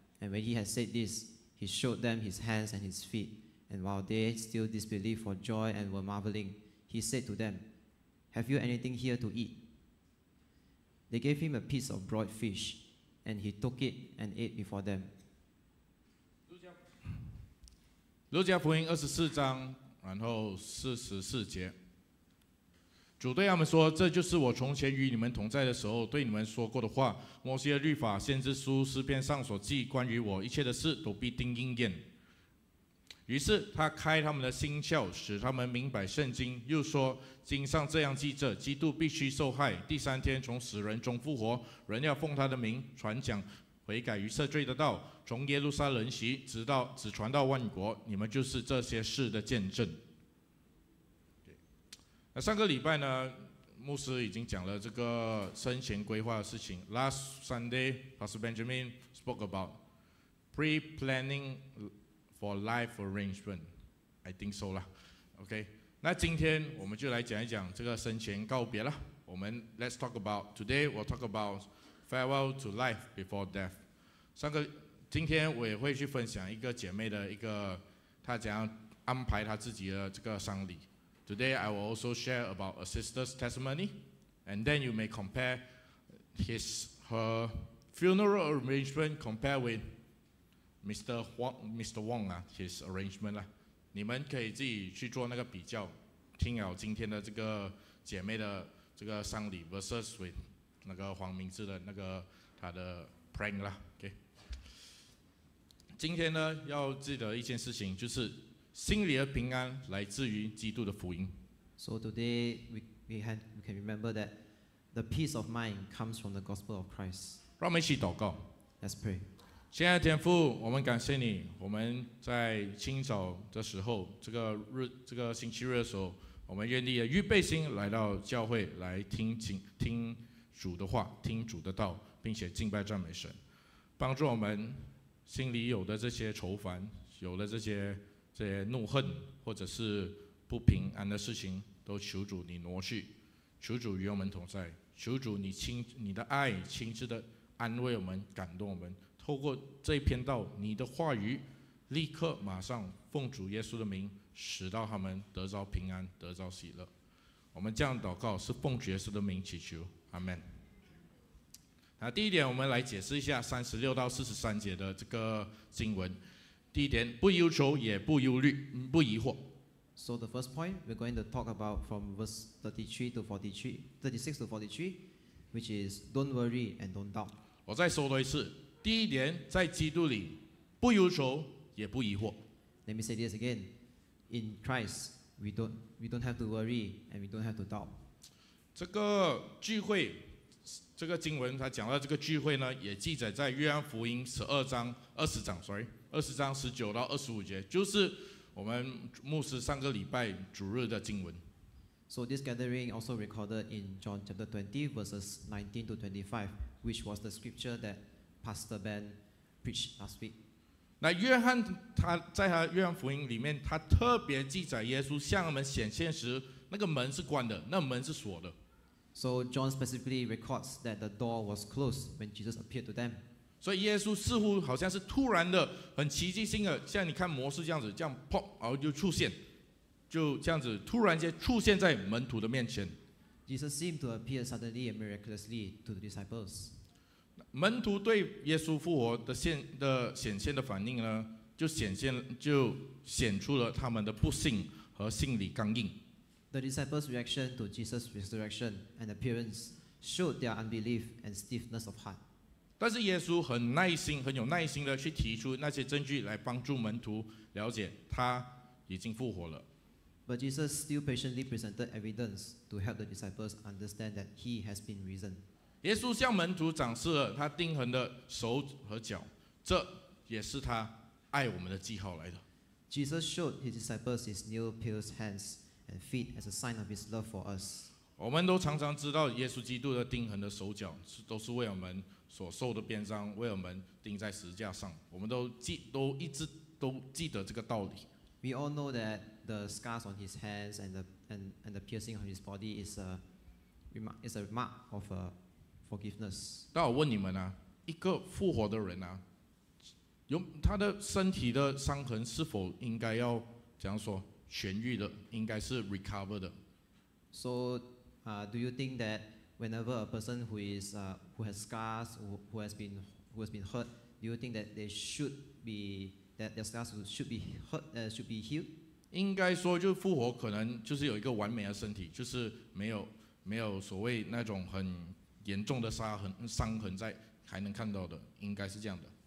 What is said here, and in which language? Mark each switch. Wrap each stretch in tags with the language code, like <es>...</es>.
<en>And when he had said this, he showed them his hands and his feet. And while they still disbelieved for joy and were marveling, he said to them, "Have you anything here to eat?" They gave him a piece of broiled fish, and he took it and ate before them.</en> <zh>Luke 福音二十四章然后四十四节，主对他们说：“这就是我从前与你们同在的时候对你们说过的话。摩西的律法、先知书、诗篇上所记关于我一切的事，都必定应验。” 于是他开他们的心窍，使他们明白圣经，又说：“经上这样记着，基督必须受害，第三天从死人中复活，人要奉他的名传讲悔改与赦罪的道。” 从耶路撒冷起，直到只传到万国，你们就是这些事的见证。那上个礼拜呢，牧师已经讲了这个生前规划的事情。</zh> <en>Last Sunday, Pastor Benjamin spoke about pre-planning for life arrangement. I think so 啦。</en> <zh>OK， 那今天我们就来讲一讲这个生前告别啦。我们</zh> <en>Let's talk about today. We'll talk about farewell to life before death.</en> <zh>上个今天我也会去分享一个姐妹的一个她怎样安排她自己的这个丧礼。</zh> <en>Today I will also share about a sister's testimony, and then you may compare his her funeral arrangement compared with Mr. Wong, his arrangement.</en> <zh>你们可以自己去做那个比较，听了今天的这个姐妹的这个丧礼</zh> <en>versus with</en> <zh>那个黄明志的那个他的 prank 啦。Okay. 今天呢要记得一件事情，就是心里的平安来自于基督的福音。</zh> <en>So today we can remember that the peace of mind comes from the gospel of Christ.</en> <zh>让我们一起祷告。</zh> <en>Let's pray.</en> <zh>亲爱的天父，我们感谢你，我们在清早的时候，这个星期日的时候，我们愿意的预备心来到教会来听主的话，听主的道，并且敬拜赞美神，帮助我们心里有的这些愁烦，有了这些怒恨或者是不平安的事情，都求主你挪去，求主与我们同在，求主你的爱亲自的安慰我们，感动我们，透过这篇道你的话语，立刻马上奉主耶稣的名，使到他们得着平安，得着喜乐。我们这样祷告是奉主耶稣的名祈求，阿们。那第一点，我们来解释一下36-43节的这个经文。第一点，不忧愁，也不忧虑，不疑惑。</zh> <en>So the first point we're going to talk about from verse 33 to 43, 36 to 43, which is don't worry and don't doubt.</en> <zh>我再说多一次，第一点，在基督里，不忧愁，也不疑惑。</zh> <en>Let me say this again. In Christ, we don't have to worry and we don't have to doubt.</en> <zh>这个聚会，这个经文他讲到这个聚会呢，也记载在约翰福音20章19-25节，就是我们牧师上个礼拜主日的经文。</zh> <en>So this gathering also recorded in John chapter 20 verses 19-25, which was the scripture that Pastor Ben preached last week.</en> <zh>那约翰他在他约翰福音里面，他特别记载耶稣向我们显现时，那个门是关的，那门是锁的。</zh> <en>So John specifically records that the door was closed when Jesus appeared to them.</en> <zh>所以耶稣似乎好像是突然的，很奇迹性的，像你看摩西这样子，这样 pop 然后就出现，就这样子突然间出现在门徒的面前。</zh> <en>Jesus seemed to appear suddenly and miraculously to the disciples.</en> <zh>门徒对耶稣复活的显现的反应呢，就显出了他们的不信和心理刚硬。</zh> <en>The disciples' reaction to Jesus' resurrection and appearance showed their unbelief and stiffness of heart.</en> <zh>但是耶稣很耐心，很有耐心的去提出那些证据来帮助门徒了解他已经复活了。</zh> <en>But Jesus still patiently presented evidence to help the disciples understand that he has been risen.</en> <zh>耶稣向门徒展示了他钉痕的手和脚，这也是他爱我们的记号来的。</zh> <en>Jesus showed his disciples his nail pierced hands. And feet as a sign of his love for us.</en> <zh>我们都常常知道耶稣基督的钉痕的手脚都是为我们所受的鞭伤，为我们钉在十字架上。我们都一直记得这个道理。</zh> <en>We all know that the scars on his hands and the piercing on his body is a mark of a forgiveness.</en> <zh>但我问你们啊，一个复活的人啊，有他的身体的伤痕是否应该要怎样说？痊愈的应该是 recover 的。</zh> <en>So, do you think that whenever a person who has scars, who has been hurt, do you think that their scars should be healed?</en> <zh>应该说，就复活可能就是有一个完美的身体，就是没有所谓那种很严重的伤痕在还能看到的，应该是这样的。</zh>